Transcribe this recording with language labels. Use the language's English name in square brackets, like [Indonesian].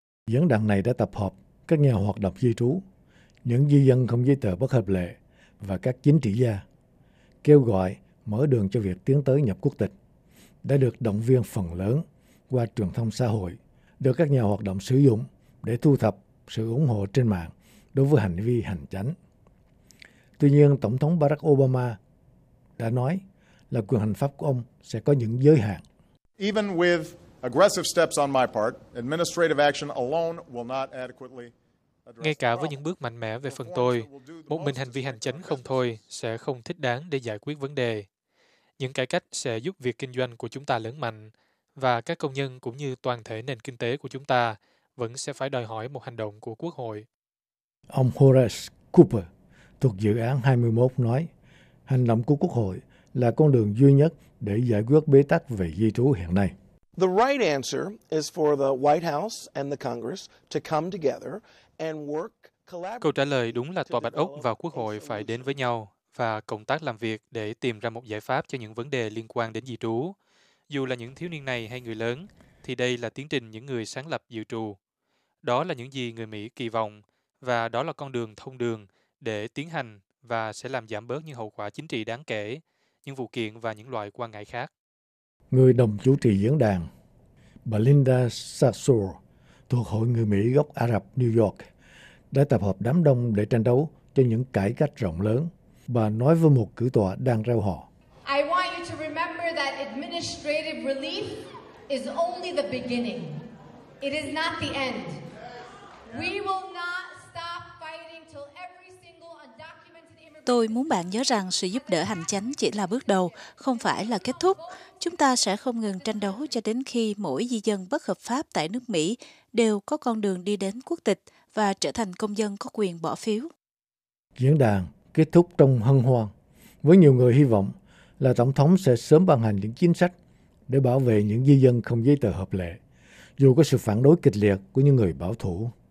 [Vietnamese] Diễn đàn này đã tập hợp các nhà hoạt động di trú, những di dân không giấy tờ bất hợp lệ và các chính trị gia, kêu gọi mở đường cho việc tiến tới nhập quốc tịch, đã được động viên phần lớn qua truyền thông xã hội, được các nhà hoạt động sử dụng để thu thập sự ủng hộ trên mạng đối với hành vi hành chánh. Tuy nhiên, Tổng thống Barack Obama đã nói là quyền hành pháp của ông sẽ có những giới hạn. [English] Even with aggressive steps on my part, administrative action alone will not adequately address. [Vietnamese] Ngay cả với những bước mạnh mẽ về phần tôi, một mình hành vi hành chánh không thôi sẽ không thích đáng để giải quyết vấn đề. Những cải cách sẽ giúp việc kinh doanh của chúng ta lớn mạnh và các công nhân cũng như toàn thể nền kinh tế của chúng ta vẫn sẽ phải đòi hỏi một hành động của Quốc hội. Ông Horace Cooper thuộc dự án 21 nói, hành động của Quốc hội là con đường duy nhất để giải quyết bế tắc về di trú hiện nay. [English] The right answer is for the White House and the Congress to come together and work. [Vietnamese] Câu trả lời đúng là Tòa Bạch Ốc và Quốc hội phải đến với nhau và cộng tác làm việc để tìm ra một giải pháp cho những vấn đề liên quan đến di trú. Dù là những thiếu niên này hay người lớn, thì đây là tiến trình những người sáng lập dự trù. Đó là những gì người Mỹ kỳ vọng, và đó là con đường thông đường để tiến hành và sẽ làm giảm bớt những hậu quả chính trị đáng kể, những vụ kiện và những loại quan ngại khác. Người đồng chủ trì diễn đàn, Belinda Sassoor, thuộc Hội Người Mỹ gốc Ả Rập New York, đã tập hợp đám đông để tranh đấu cho những cải cách rộng lớn. Bà nói với một cử tọa đang reo hò. [English] I want you to remember that administrative relief is only the beginning. It is not the end. We will not stop fighting till every single undocumented immigrant. [Vietnamese] Tôi muốn bạn nhớ rằng sự giúp đỡ hành chính chỉ là bước đầu, không phải là kết thúc. Chúng ta sẽ không ngừng tranh đấu cho đến khi mỗi di dân bất hợp pháp tại nước Mỹ đều có con đường đi đến quốc tịch và trở thành công dân có quyền bỏ phiếu. Diễn đàn kết thúc trong hân hoan, với nhiều người hy vọng là Tổng thống sẽ sớm ban hành những chính sách để bảo vệ những di dân không giấy tờ hợp lệ, dù có sự phản đối kịch liệt của những người bảo thủ.